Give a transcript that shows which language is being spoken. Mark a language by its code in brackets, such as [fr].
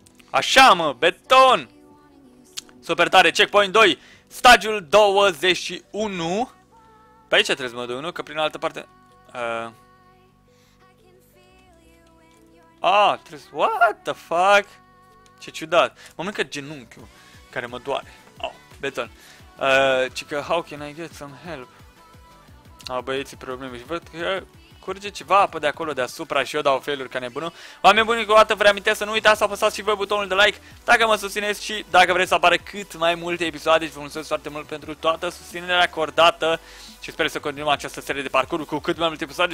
[ro] Așa, mă, beton! Super tare, checkpoint 2, stagiul 21. Pe aici trebuie să mă duc, nu? Că prin altă parte... trebuie să... [en] What the fuck? [ro] Ce ciudat. Mă mâncă genunchiul care mă doare. Beton. [en] Cică, how can I get some help? [ro] Băieții, probleme. Și văd că curge ceva apă de acolo deasupra și eu dau failuri ca nebunul. Oameni buni, o dată vă reamintesc să nu uitați să apăsați și voi butonul de like dacă mă susțineți și dacă vreți să apară cât mai multe episoade. Și vă mulțumesc foarte mult pentru toată susținerea acordată și sper să continuăm această serie de parcuri cu cât mai multe episoade.